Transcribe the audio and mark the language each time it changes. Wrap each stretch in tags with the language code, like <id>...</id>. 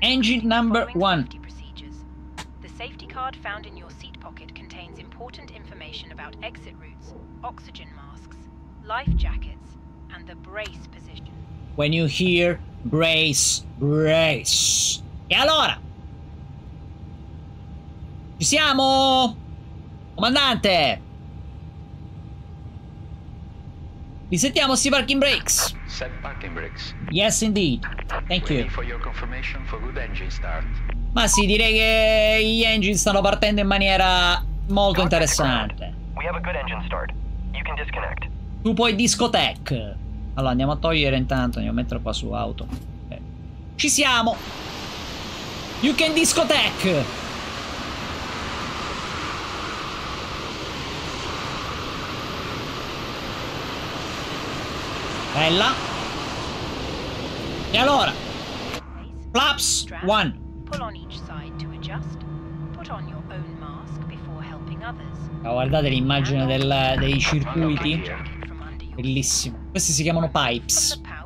<en>Engine number 1. Procedures. The safety card found in your seat pocket contains important information about exit routes, oxygen masks, life jackets and the brace position. When you hear brace, brace.</en> <it>E allora, ci siamo, comandante. Risettiamo sti parking brakes.</it> <en>Set parking brakes. Yes indeed. Thank you. For your confirmation for good engine start.</en> <it>Ma sì, direi che gli engine stanno partendo in maniera molto interessante.</it> <en>We have a good engine start. You can disconnect.</en> <it>Tu puoi discotec. Allora andiamo a togliere intanto, andiamo a mettere qua su auto. Ci siamo.</it> <en>You can discotec.</en> <it>Bella. E allora, flaps 1.</it> <en>Pull on each side to adjust. Put on your own mask before helping others.</en> <it>Guardate l'immagine dei circuiti. Bellissimo. Questi si chiamano pipes.</it>